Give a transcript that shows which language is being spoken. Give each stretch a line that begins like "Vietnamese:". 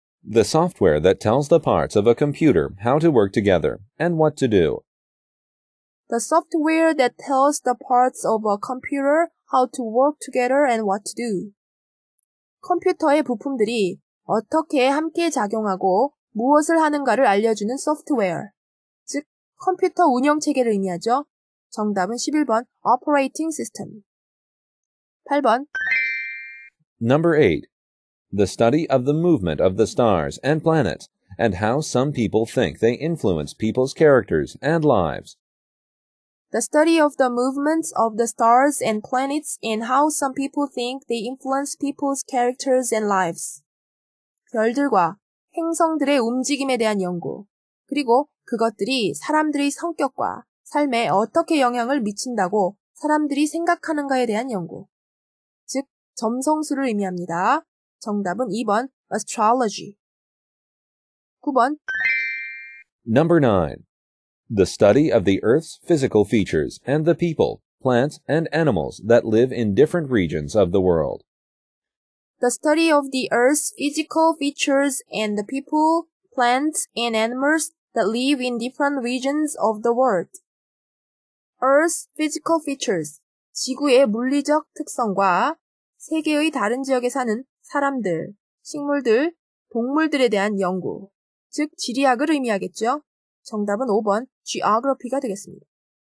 English: The software that tells the parts of a computer how to work together and what to do. The software that tells the parts of a computer how to work together and what to do.
Korean: 컴퓨터의 부품들이 어떻게 함께 작용하고 무엇을 하는가를 알려주는 소프트웨어, 즉 컴퓨터 운영체계를 의미하죠. 정답은 11번, Operating System. 8번
English: Number 8. The study of the movement of the stars and planets and how some people think they influence people's characters and lives. The study of the movements of the stars and planets and how some people think they influence people's characters and lives.
Korean: 별들과 행성들의 움직임에 대한 연구, 그리고 그것들이 사람들의 성격과 삶에 어떻게 영향을 미친다고 사람들이 생각하는가에 대한 연구, 즉 점성술을 의미합니다. 정답은 2번, astrology. 9번.
English: Number 9. The study of the Earth's physical features and the people, plants, and animals that live in different regions of the world. The study of the Earth's physical features and the people, plants, and animals that live in different regions of the world. Earth's physical features,
Korean: 지구의 물리적 특성과 세계의 다른 지역에 사는 사람들, 식물들, 동물들에 대한 연구, 즉 지리학을 의미하겠죠? 정답은 5번, geography가 되겠습니다.